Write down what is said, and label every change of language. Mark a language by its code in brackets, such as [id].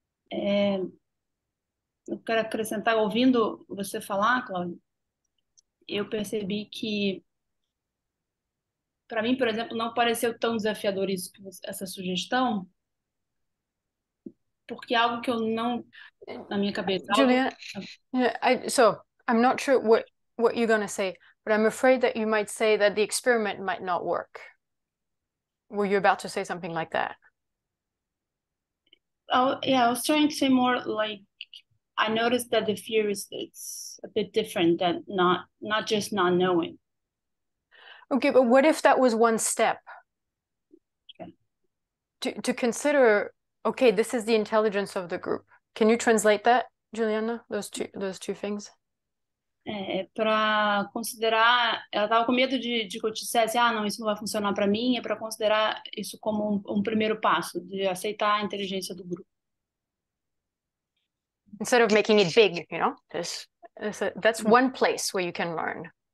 [pt] Eu quero acrescentar, ouvindo você falar, Cláudio, eu percebi que, para mim, por exemplo, não pareceu tão desafiador isso, essa sugestão, porque algo que eu não, na minha cabeça, algo. [en] Julia, I'm not sure what you're going to say, but I'm afraid that you might say that the experiment might not work. Were you about to say something like that? Oh, yeah, I was trying to say more like I noticed that the fear is it's a bit different than not just not knowing. Okay, but what if that was one step? To consider, okay, this is the intelligence of the group. Can you translate that? Juliana, those two things. [pt] Para considerar, ela estava com medo de que eu dissesse, ah, não, isso não vai funcionar para mim, é para considerar isso como um primeiro passo, de aceitar a inteligência do grupo. [en] Instead of making it big, you know, that's one place where you can learn.